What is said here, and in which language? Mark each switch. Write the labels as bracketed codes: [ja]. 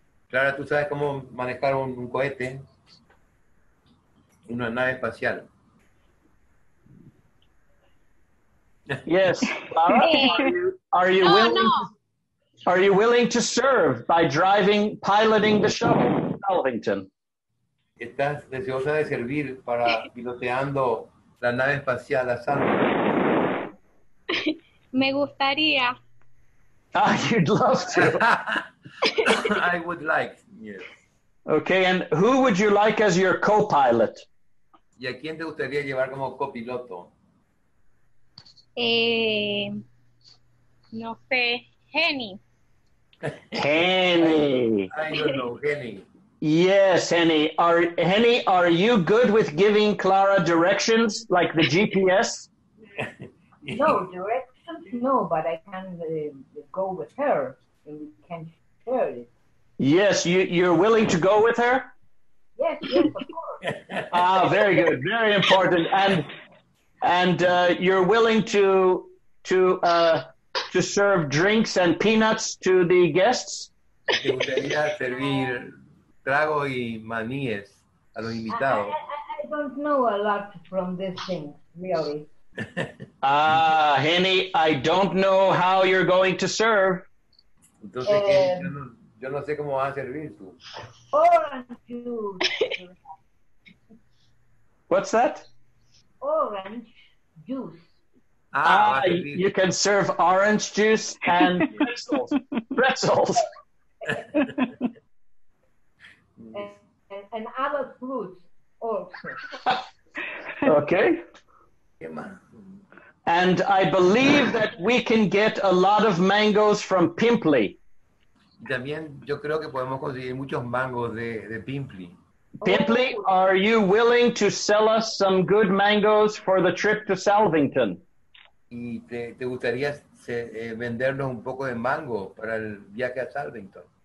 [es] Clara, ¿tú sabes cómo manejar un cohete? Una nave espacial. [en] Yes, Clara, are you willing to serve by driving, piloting the shuttle to Salvington? [es] ¿Estás deseosa de servir para piloteando la nave espacial a Salvington? Me gustaría. [en] Ah, you'd love to. I would like, yes. Okay, and who would you like as your co-pilot? [es] ¿Y a quién te gustaría llevar como copiloto? No sé, Jenny. [en] Henny. I don't know, Henny. Yes, Henny. Are you good with giving Clara directions like the GPS? No, directions, no, but I can go with her and we can share it. Yes, you're willing to go with her? Yes, of course. Ah, very good. Very important. And you're willing to serve drinks and peanuts to the guests? [es] ¿Te gustaría servir trago y maníes a los invitados? [en] I don't know a lot from this thing, really. Ah, Henny, I don't know how you're going to serve. [es] Entonces, yo no sé cómo vas a servir tú. [en] Orange. What's that? Orange juice. Ah, you can serve orange juice and pretzels. And other fruits also. Okay. And I believe that we can get a lot of mangoes from Pimply. [es] También yo creo que podemos conseguir muchos mangos de Pimply. [en] Pimply, are you willing to sell us some good mangoes for the trip to Salvington? [es] ¿Y te gustaría vendernos un poco de mango para el viaje a Salvington?